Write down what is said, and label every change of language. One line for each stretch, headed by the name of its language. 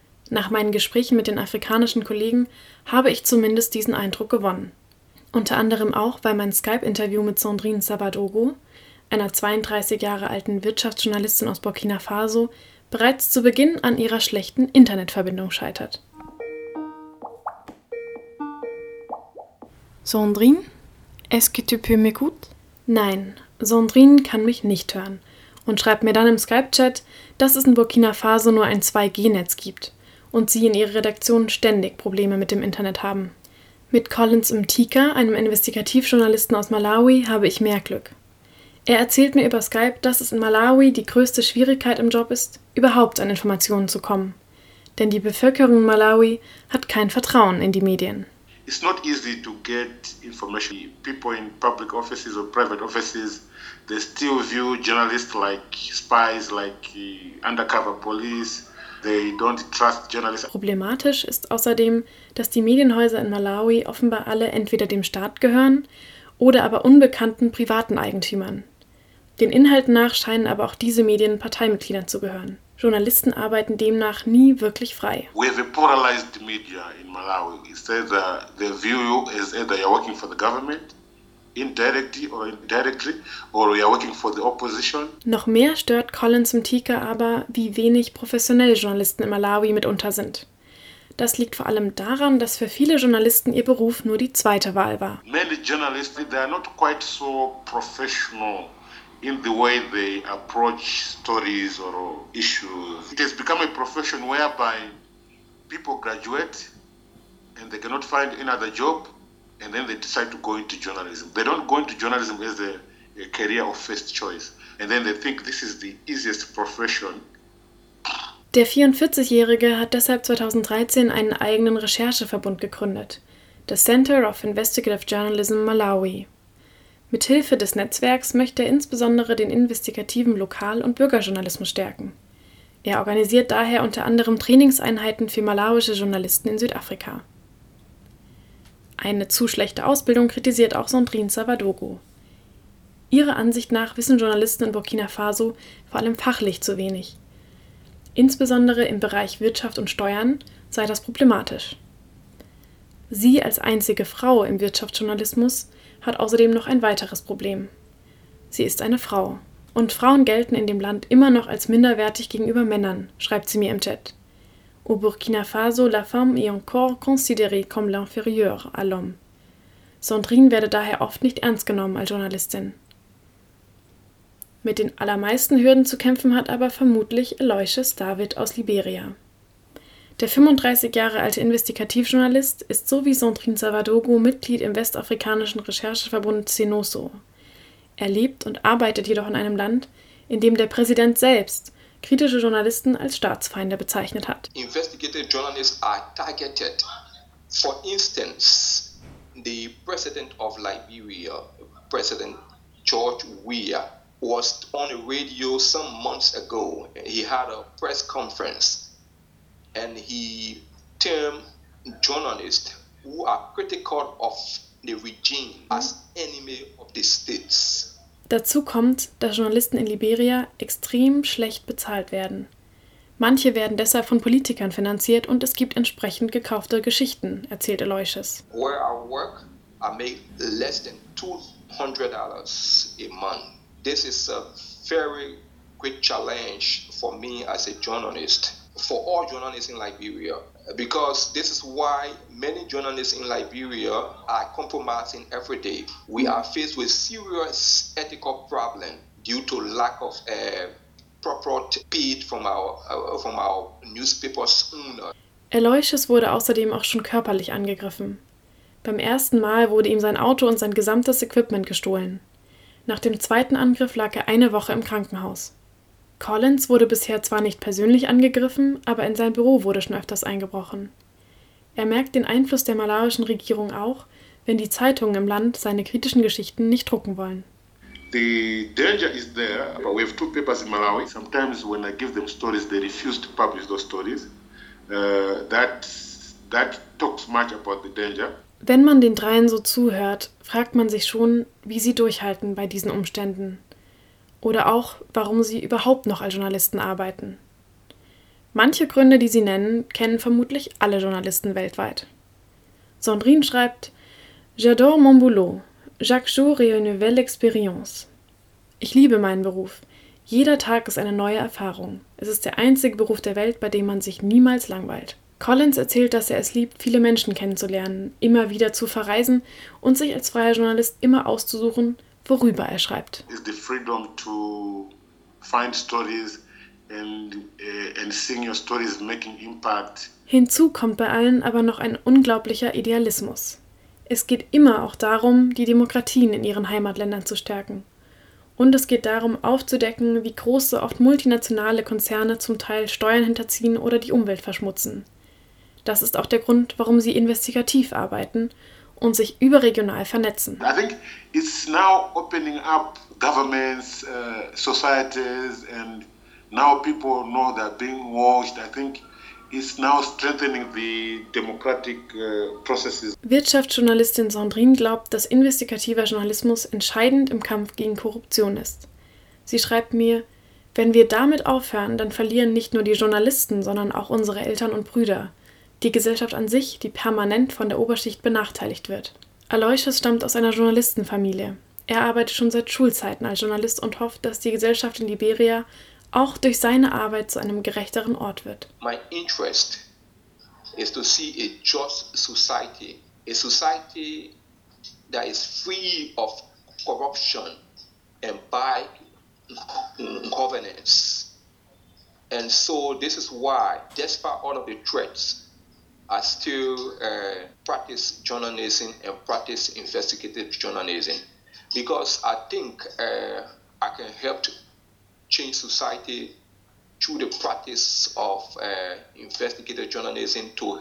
German: Nach meinen Gesprächen mit den afrikanischen Kollegen habe ich zumindest diesen Eindruck gewonnen. Unter anderem auch, weil mein Skype-Interview mit Sandrine Sabadogo, einer 32 Jahre alten Wirtschaftsjournalistin aus Burkina Faso, bereits zu Beginn an ihrer schlechten Internetverbindung scheitert.
French: Sandrine, est-ce que tu peux m'écouter?
German: Nein, Sandrine kann mich nicht hören und schreibt mir dann im Skype-Chat, dass es in Burkina Faso nur ein 2G-Netz gibt und sie in ihrer Redaktion ständig Probleme mit dem Internet haben. Mit Collins Mtika, einem Investigativjournalisten aus Malawi, habe ich mehr Glück. Er erzählt mir über Skype, dass es in Malawi die größte Schwierigkeit im Job ist, überhaupt an Informationen zu kommen. Denn die Bevölkerung in Malawi hat kein Vertrauen in die Medien.
English: It's not easy to get information. People in public offices or private offices, they still view journalists like spies, like undercover police. They don't trust journalists.
German: Problematisch ist außerdem, dass die Medienhäuser in Malawi offenbar alle entweder dem Staat gehören oder aber unbekannten privaten Eigentümern. Den Inhalten nach scheinen aber auch diese Medien Parteimitgliedern zu gehören. Journalisten arbeiten demnach nie wirklich frei.
English: We have a polarized media in Malawi. It's either they view you as either you're working for the government, indirectly or directly, or you're working for the opposition.
German: Noch mehr stört Collins Mtika aber, wie wenig professionelle Journalisten in Malawi mitunter sind. Das liegt vor allem daran, dass für viele Journalisten ihr Beruf nur die zweite Wahl war.
English: Many journalists, they are not quite so professional in the way they approach stories or issues. It has become a profession whereby people graduate and they cannot find another job and then they decide to go into journalism. They don't go into journalism as a career or first choice. And then they think this is the easiest profession.
German: Der 44-Jährige hat deshalb 2013 einen eigenen Rechercheverbund gegründet, das Center of Investigative Journalism Malawi. Mithilfe des Netzwerks möchte er insbesondere den investigativen Lokal- und Bürgerjournalismus stärken. Er organisiert daher unter anderem Trainingseinheiten für malawische Journalisten in Südafrika. Eine zu schlechte Ausbildung kritisiert auch Sandrine Sabadogo. Ihrer Ansicht nach wissen Journalisten in Burkina Faso vor allem fachlich zu wenig. Insbesondere im Bereich Wirtschaft und Steuern sei das problematisch. Sie als einzige Frau im Wirtschaftsjournalismus hat außerdem noch ein weiteres Problem. Sie ist eine Frau. Und Frauen gelten in dem Land immer noch als minderwertig gegenüber Männern, schreibt sie mir im Chat.
French: Au Burkina Faso, la femme est encore considérée comme l'inférieure à l'homme.
German: Sandrine werde daher oft nicht ernst genommen als Journalistin. Mit den allermeisten Hürden zu kämpfen hat aber vermutlich Aloysius David aus Liberia. Der 35 Jahre alte Investigativjournalist ist so wie Sandrine Savadogo Mitglied im westafrikanischen Rechercheverbund CENOSO. Er lebt und arbeitet jedoch in einem Land, in dem der Präsident selbst kritische Journalisten als Staatsfeinde bezeichnet hat.
English: Investigative journalists are targeted. For instance, the president of Liberia, President George Weah, was on the radio some months ago. He had a press conference. And he termed journalists who are critical of the regime as enemy of the states.
German: Dazu kommt, dass Journalisten in Liberia extrem schlecht bezahlt werden. Manche werden deshalb von Politikern finanziert und es gibt entsprechend gekaufte Geschichten, erzählt Aloysius.
English: Where I work, I make less than $200 a month. This is a very great challenge for me as a journalist. For all journalists in Liberia, because this is why many journalists in Liberia are compromising every day. We are faced with serious ethical problems due to lack of proper paid from our newspaper's owner.
German: Aloysius wurde außerdem auch schon körperlich angegriffen. Beim ersten Mal wurde ihm sein Auto und sein gesamtes Equipment gestohlen. Nach dem zweiten Angriff lag er eine Woche im Krankenhaus. Collins wurde bisher zwar nicht persönlich angegriffen, aber in sein Büro wurde schon öfters eingebrochen. Er merkt den Einfluss der malawischen Regierung auch, wenn die Zeitungen im Land seine kritischen Geschichten nicht drucken wollen.
English: The danger is there, but we have two papers in Malawi. Sometimes when I give them stories, they refuse to publish those stories. That talks much about the danger.
German: Wenn man den Dreien so zuhört, fragt man sich schon, wie sie durchhalten bei diesen Umständen. Oder auch, warum sie überhaupt noch als Journalisten arbeiten. Manche Gründe, die sie nennen, kennen vermutlich alle Journalisten weltweit. Sandrine schreibt:
French: J'adore mon boulot. Chaque jour est une nouvelle expérience.
German: Ich liebe meinen Beruf. Jeder Tag ist eine neue Erfahrung. Es ist der einzige Beruf der Welt, bei dem man sich niemals langweilt. Collins erzählt, dass er es liebt, viele Menschen kennenzulernen, immer wieder zu verreisen und sich als freier Journalist immer auszusuchen, worüber er schreibt.
English: It's the freedom to find stories and seeing your stories making impact.
German: Hinzu kommt bei allen aber noch ein unglaublicher Idealismus. Es geht immer auch darum, die Demokratien in ihren Heimatländern zu stärken. Und es geht darum, aufzudecken, wie große, oft multinationale Konzerne zum Teil Steuern hinterziehen oder die Umwelt verschmutzen. Das ist auch der Grund, warum sie investigativ arbeiten und sich überregional vernetzen.
English: I think it's now opening up governments, societies, and now people know they're being watched. I think it's now strengthening the democratic processes.
German: Wirtschaftsjournalistin Sandrine glaubt, dass investigativer Journalismus entscheidend im Kampf gegen Korruption ist. Sie schreibt mir: Wenn wir damit aufhören, dann verlieren nicht nur die Journalisten, sondern auch unsere Eltern und Brüder. Die Gesellschaft an sich, die permanent von der Oberschicht benachteiligt wird. Aloysius stammt aus einer Journalistenfamilie. Er arbeitet schon seit Schulzeiten als Journalist und hofft, dass die Gesellschaft in Liberia auch durch seine Arbeit zu einem gerechteren Ort wird.
English: My interest is to see a just society. A society that is free of corruption and by governance. And so this is why, despite all of the threats, I still practice journalism and practice investigative journalism because I think I can help to change society through the practice of investigative journalism too.